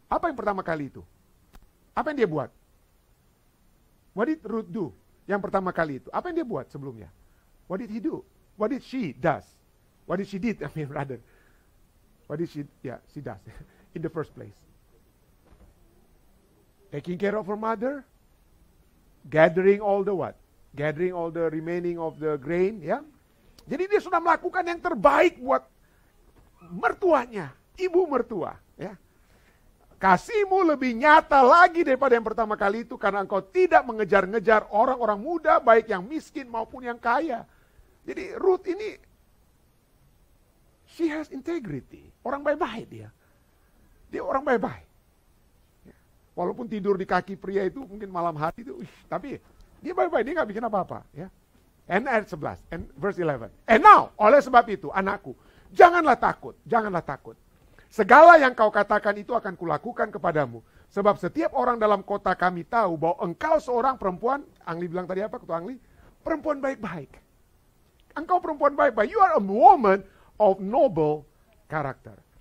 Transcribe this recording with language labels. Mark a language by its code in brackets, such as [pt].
[id] Apa yang pertama kali itu? Apa yang dia buat? [en] What did Ruth do? [id] Yang pertama kali itu. Apa yang dia buat sebelumnya? [en] What did he do? What did she does? What did she did? I mean rather. What did she, yeah, she does in the first place. Taking care of her mother, gathering all the what? Gathering all the remaining of the grain, ya. [id] Jadi dia sudah melakukan yang terbaik buat mertuanya, ibu mertua, ya. Kasihmu lebih nyata lagi daripada yang pertama kali itu, karena engkau tidak mengejar-ngejar orang-orang muda, baik yang miskin maupun yang kaya. Jadi Ruth ini, [en] she has integrity, [id] orang baik-baik dia. Dia orang baik-baik. Walaupun tidur di kaki pria itu mungkin malam hari itu, tapi dia baik-baik, dia nggak bikin apa-apa, ya. And ayat 11, [en] and verse 11. And now, [id] oleh sebab itu, anakku, janganlah takut. Segala yang kau katakan itu akan kulakukan kepadamu, sebab setiap orang dalam kota kami tahu bahwa engkau seorang perempuan. Angli bilang tadi apa, Ketua Angli? Perempuan baik-baik. Engkau perempuan baik-baik. [en] You are a woman of noble character.